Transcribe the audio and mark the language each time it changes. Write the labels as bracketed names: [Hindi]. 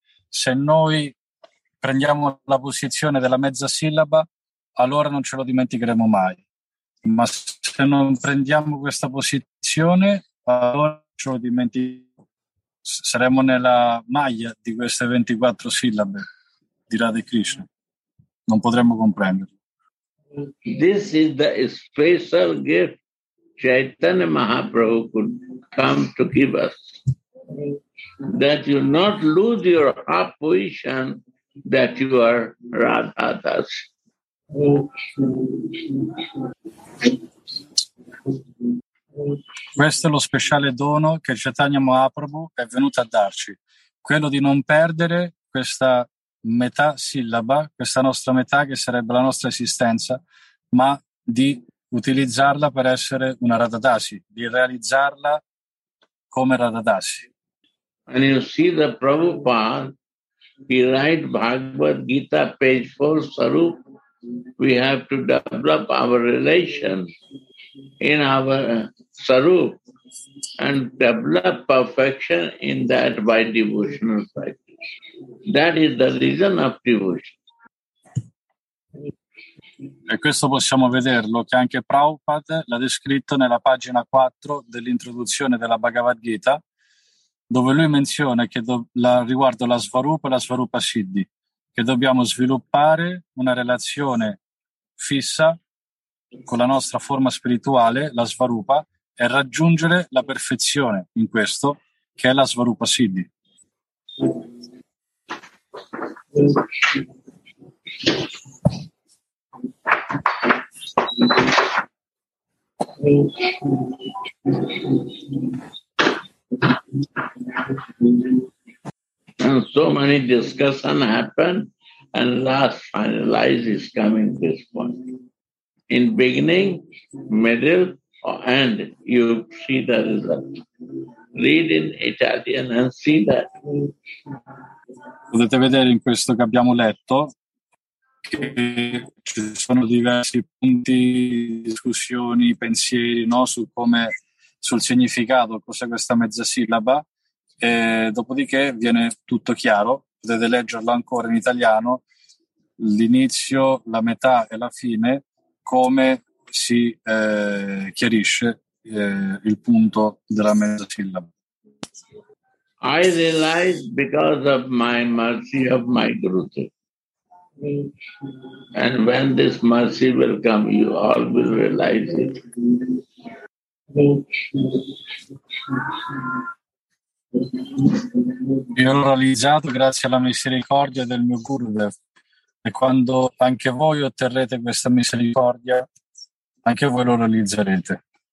[Italian] Se noi prendiamo la posizione della mezza sillaba, allora non ce lo dimenticheremo mai. Ma se non prendiamo questa posizione, allora ce lo dimenticheremo. Saremo nella maglia di queste 24 sillabe di Radha Krishna. Non potremmo comprenderlo. [English] This is the special gift Chaitanya Mahaprabhu could come to give us. That you not lose your half position, that you are Radhadas. [Italian] Questo è lo speciale dono che Chaitanya Mahaprabhu è venuto a darci. Quello di non perdere questa metà sillaba, questa nostra metà che sarebbe la nostra esistenza, ma di utilizzarla per essere una Radhadasi, di realizzarla come Radhadasi. [English] And you see the Prabhupada, he write Bhagavad Gita page 4 Sarup, we have to develop our relation in our Sarup and develop perfection in that by devotional practice. That is the reason of devotion. [Italian] E questo possiamo vederlo, che anche Prabhupada l'ha descritto nella pagina 4 dell'introduzione della Bhagavad Gita, dove lui menziona che riguardo la Svarupa e la Svarupa Siddhi, che dobbiamo sviluppare una relazione fissa con la nostra forma spirituale, la Svarupa, e raggiungere la perfezione in questo, che è la Svarupa Siddhi. [English] And so many discussion happen, and last finalize is coming this point. In beginning, middle, or end, you see the result. Read in Italian and see that. [Italian] Potete vedere in questo che abbiamo letto che ci sono diversi punti, discussioni, pensieri, no, su come, sul significato, cos'è questa mezza sillaba, e dopodiché viene tutto chiaro. Potete leggerlo ancora in italiano, l'inizio, la metà e la fine, come si chiarisce il punto della mezza sillaba. [English] I realize because of my mercy of my Guru. And when this mercy will come, you all will realize it. [Italian] Io l'ho realizzato grazie alla misericordia del mio Gurudev. E quando anche voi otterrete questa misericordia, anche voi lo realizzerete.